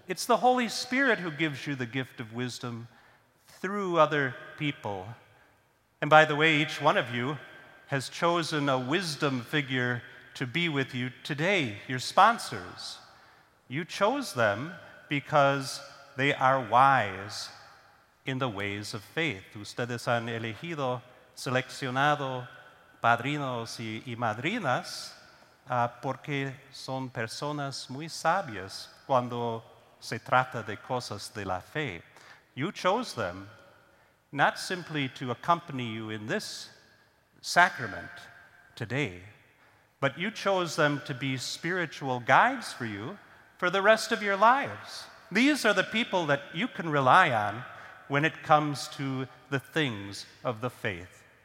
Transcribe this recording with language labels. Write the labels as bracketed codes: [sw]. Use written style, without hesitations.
[en] It's the Holy Spirit who gives you the gift of wisdom through other people. And by the way, each one of you has chosen a wisdom figure to be with you today, your sponsors. You chose them because they are wise in the ways of faith. [es] Ustedes han elegido, seleccionado padrinos y madrinas porque son personas muy sabias cuando se trata de cosas de la fe. [en] You chose them not simply to accompany you in this sacrament today, but you chose them to be spiritual guides for you for the rest of your lives. These are the people that you can rely on when it comes to the things of the faith.